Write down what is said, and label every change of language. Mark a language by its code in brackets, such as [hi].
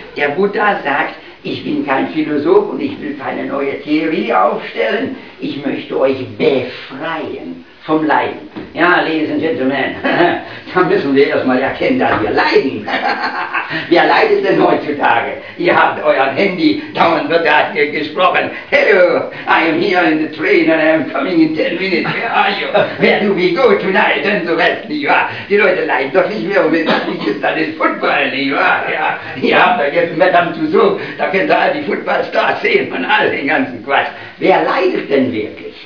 [de] Der Buddha sagt, ich bin kein Philosoph und ich will keine neue Theorie aufstellen. Ich möchte euch befreien vom Leiden. Ja, [en] ladies and gentlemen, [de] da müssen wir erstmal erkennen, dass wir leiden. Wer leidet denn heutzutage? Ihr habt euer Handy, dauernd wird da hier gesprochen. [en] Hello, I am here in the train and I am coming in 10 minutes. Where are you? Where do we go tonight? [de] Und so weiter, nicht wahr? Die Leute leiden doch nicht mehr, wenn das nicht ist, dann ist Football, nicht wahr? Ja, ihr habt da jetzt Madame Tussauds, da könnt ihr all die Footballstars sehen und all den ganzen Quatsch. Wer leidet denn wirklich?